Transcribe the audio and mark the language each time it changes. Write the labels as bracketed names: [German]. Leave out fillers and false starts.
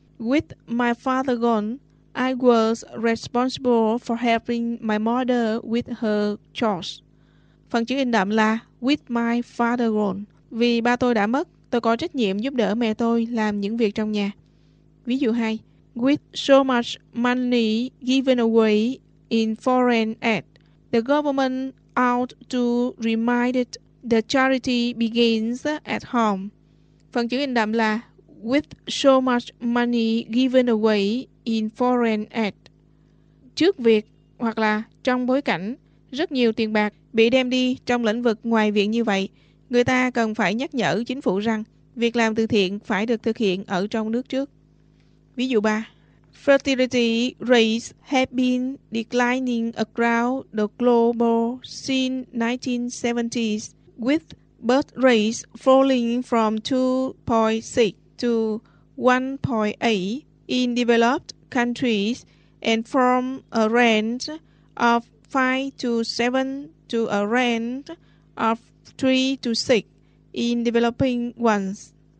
[English] With my father gone, I was responsible for helping my mother with her chores. [Vietnamese] Phần chữ in đậm là [English] with my father gone. [Vietnamese] Vì ba tôi đã mất, tôi có trách nhiệm giúp đỡ mẹ tôi làm những việc trong nhà. Ví dụ 2. [English] With so much money given away in foreign aid, the government ought to remind it the charity begins at home. [Vietnamese] Phần chữ in đậm là [English] with so much money given away in foreign aid. [Vietnamese] Trước việc hoặc là trong bối cảnh rất nhiều tiền bạc bị đem đi trong lĩnh vực ngoài viện như vậy, người ta cần phải nhắc nhở chính phủ rằng việc làm từ thiện phải được thực hiện ở trong nước trước. Ví dụ 3. [English] Fertility rates have been declining across the globe since 1970s, with birth rates falling from 2.6 to 1.8 in developed countries and from a range of 5 to 7 to a range of 3 to 6 in developing ones.